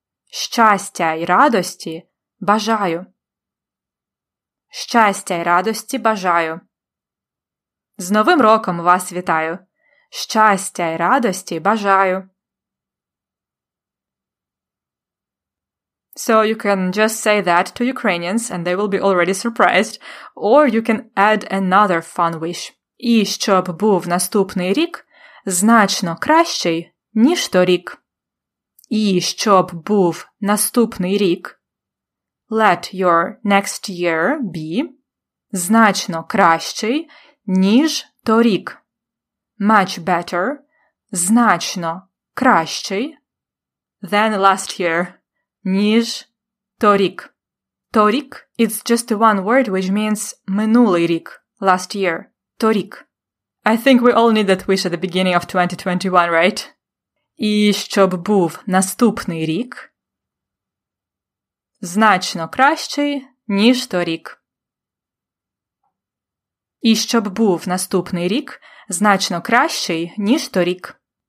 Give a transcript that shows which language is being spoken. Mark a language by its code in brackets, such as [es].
[uk] Щастя й радості бажаю. Щастя й радості бажаю. З Новим роком вас вітаю. Щастя й радості бажаю. [en] So you can just say that to Ukrainians and they will be already surprised. Or you can add another fun wish. [uk] І щоб був наступний рік значно кращий, ніж торік. І щоб був наступний рік. [en] Let your next year be [uk] значно кращий, ніж торік. [en] Much better, [uk] значно кращий, [en] than last year, [uk] ніж торік. [en] Торік is just one word which means [uk] минулий рік, [en] last year, торік. I think we all need that wish at the beginning of 2021, right? [uk] І щоб був наступний рік, значно кращий, ніж торік. І щоб був наступний рік значно кращий, ніж торік.